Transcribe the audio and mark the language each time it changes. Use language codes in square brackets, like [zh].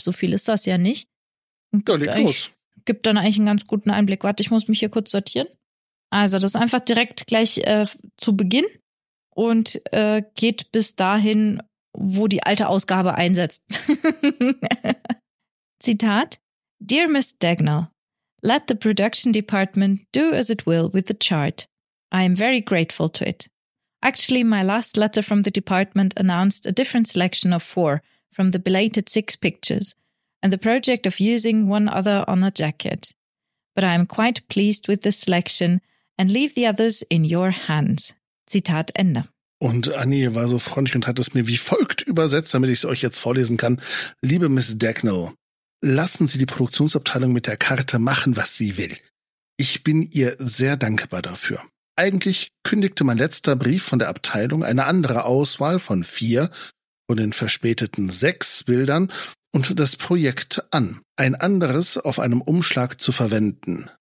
[de] So viel ist das ja nicht. Ja, leg los. Gibt dann eigentlich einen ganz guten Einblick. Warte, ich muss mich hier kurz sortieren. Also das ist einfach direkt gleich zu Beginn und geht bis dahin, wo die alte Ausgabe einsetzt. Zitat. [en] Dear Miss Dagnall, let the production department do as it will with the chart. I am very grateful to it. Actually, my last letter from the department announced a different selection of 4 from the belated 6 pictures. And the project of using one other on a jacket. But I am quite pleased with the selection and leave the others in your hands. [de] Zitat Ende. Und Annie war so freundlich und hat es mir wie folgt übersetzt, damit ich es euch jetzt vorlesen kann. Liebe Miss Dagnall, lassen Sie die Produktionsabteilung mit der Karte machen, was sie will. Ich bin ihr sehr dankbar dafür. Eigentlich kündigte mein letzter Brief von der Abteilung eine andere Auswahl von 4 von den verspäteten 6 Bildern und das Projekt an, ein anderes auf einem Umschlag zu verwenden.